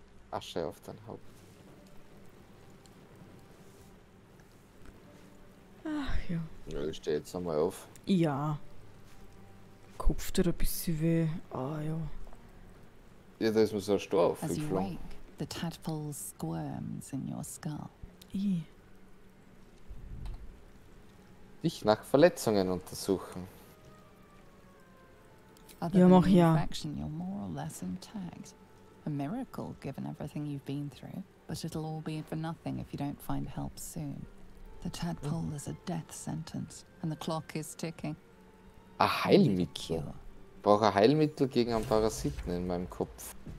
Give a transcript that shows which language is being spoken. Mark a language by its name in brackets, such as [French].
[German] Asche auf dein Haupt. Ach ja. Ja, ich steh jetzt einmal auf. Ja. Kopf tut ein bisschen weh. Ja, da ist mir so ein Stor aufgeflogen. [English] The tadpole squirms in your skull. [German] Dich nach Verletzungen untersuchen. Ja, mach ja. [English] You're more or less intact. A miracle, given everything you've been through, but it'll all be for nothing if you don't find help soon. The tadpole is a death sentence, and the clock is ticking. [German] A Heilmittel. Brauche Heilmittel gegen einen Parasiten in meinem Kopf.